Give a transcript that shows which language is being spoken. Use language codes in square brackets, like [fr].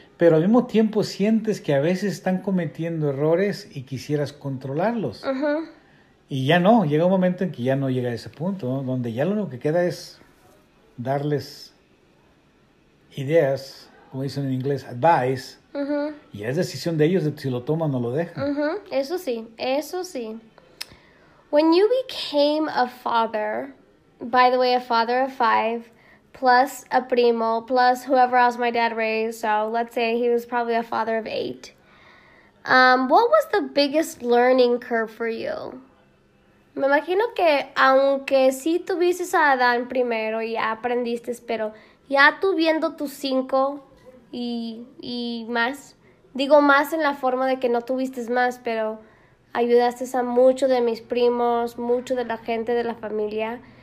[es] Pero al mismo tiempo sientes que a veces están cometiendo errores y quisieras controlarlos. Y ya no, llega un momento en que ya no llega a ese punto, ¿no? Donde ya lo único que queda es darles ideas, como dicen en inglés, advice. Y es decisión de ellos de si lo toman o lo dejan. Eso sí. [en] When you became a father, by the way, a father of 5, plus a primo, plus whoever else my dad raised. So let's say he was probably a father of eight. What was the biggest learning curve for you? [es] Me imagino que aunque sí tuviste esa edad primero y aprendiste, pero ya tú viendo tus cinco y más, digo más en la forma de que no tuviste más, pero ayudaste a muchos de mis primos, mucho de la gente de la familia.